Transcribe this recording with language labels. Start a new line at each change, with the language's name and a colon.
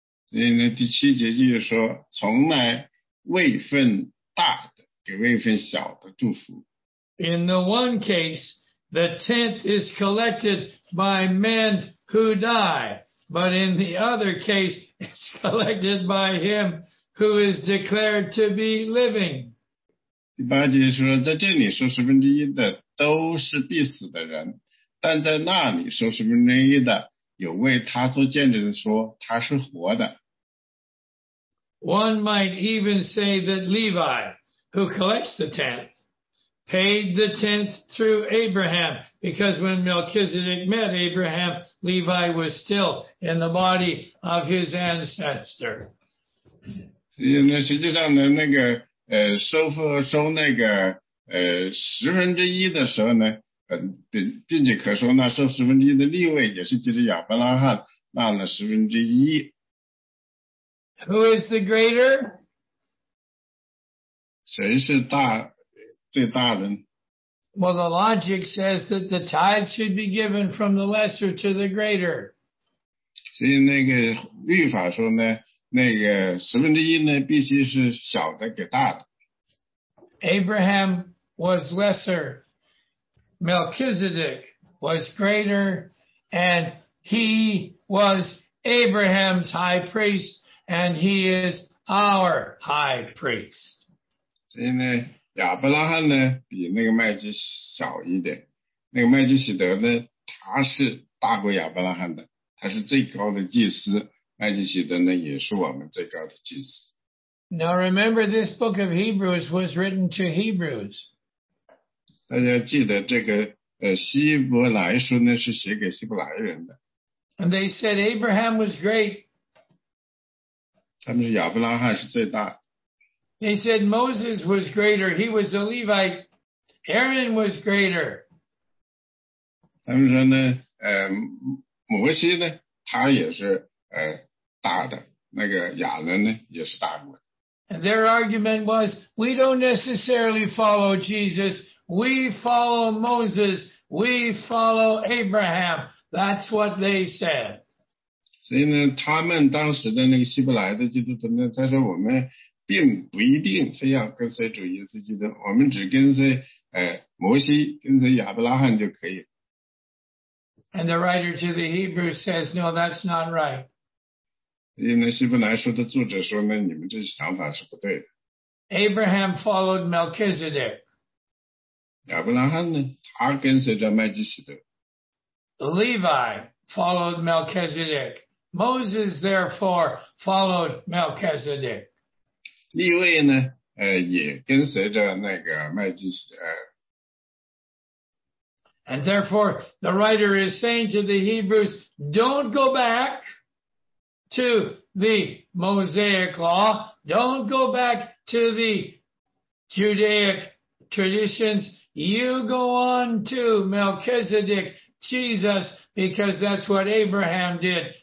Chinese: 所以呢，第七节就是说，从来位分大的给位分小的祝福。
English: In the one case, the tenth is collected by men who die, but in the other case, it's collected by him who is declared to be living.
Chinese: 第八节说，在这里收十分之一的都是必死的人，但在那里收十分之一的有为他做见证的说他是活的。
English: One might even say that Levi, who collects the tenth, paid the tenth through Abraham, because when Melchizedek met Abraham, Levi was still in the body of his ancestor.
Chinese: 实际上呢，那个十分之一的时候呢，并且可说那收十分之一的利位也是借着亚伯拉罕纳了十分之一。
English: Who is the greater?
Chinese: 谁是最大的呢？
English: Well, the logic says that the tithe should be given from the lesser to the greater.
Chinese: 所以那个律法说呢，那个十分之一呢，必须是小的给大的。
English: Abraham was lesser, Melchizedek was greater, and he was Abraham's high priest, and he is our high priest.
Chinese: 所以呢，亚伯拉罕呢比那个麦基小一点，那个麦基洗德呢他是大过亚伯拉罕的，他是最高的祭司，麦基洗德呢也是我们最高的祭司。
English: Now remember this book of Hebrews was written to Hebrews.
Chinese: 大家记得这个希伯来书呢是写给希伯来人的。
English: And they said Abraham was great.
Chinese: 他们说亚伯拉罕是最大。
English: They said Moses was greater, he was a Levite. Aaron was greater.
Chinese: 他们说呢摩西呢他也是大的，那个亚伦呢也是大的。
English: And their argument was, we don't necessarily follow Jesus,We follow Moses, we follow Abraham. That's what they said.
Chinese: 所以呢，他们当时的那个希伯来的基督徒呢，他说我们并不一定非要跟随主耶稣基督，我们只跟随摩西，跟随亚伯拉罕就可以。
English: And the writer to the Hebrews says, no, that's not right.
Chinese: 所以呢，希伯来书的作者说呢，你们这些想法是不对的。
English: Abraham followed Melchizedek.
Chinese: 亚伯拉罕呢他跟随着麦基洗德。
English: Levi followed Melchizedek. Moses therefore followed Melchizedek.
Chinese: 利未呢也跟随着那个麦基洗德。
English: And therefore the writer is saying to the Hebrews, don't go back to the Mosaic law. Don't go back to the Judaic traditions. You go on to Melchizedek, Jesus, because that's what Abraham did.